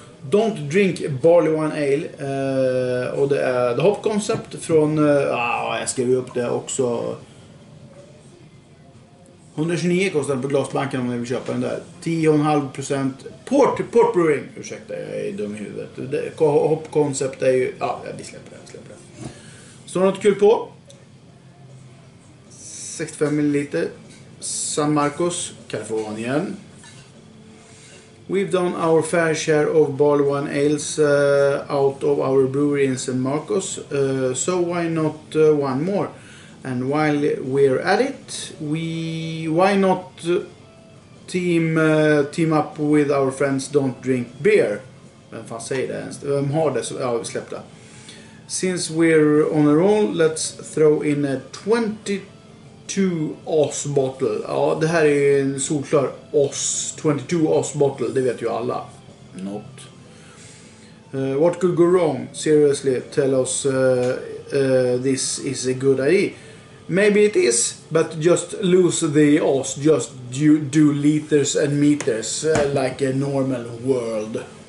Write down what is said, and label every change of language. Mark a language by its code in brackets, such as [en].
[en] Don't drink barley wine ale. [sv] Och det är The Hop Concept från... jag skrev upp det också... 129 kostar den på glasbanken om ni vill köpa den där. 10,5% port brewing. Ursäkta, jag är dum i huvudet. Hop Concept är ju... Ja, vi släpper det. Står något kul på? 65 ml. San Marcos, Kalifornien. [en] We've done our fair share of barley wine ales out of our brewery in San Marcos. So why not one more? And while we're at it, why not team up with our friends Don't Drink Beer? [sv] Vem fan säger det ens? Vem har det? Ja, vi släppte. [en] Since we're on a roll, let's throw in a 22 oz bottle. [sv] Ja, det här är en solklar oz, 22 oz bottle, det vet ju alla. [en] Not. What could go wrong? Seriously, tell us this is a good idea. Maybe it is, but just lose the oz, just do liters and meters, like a normal world.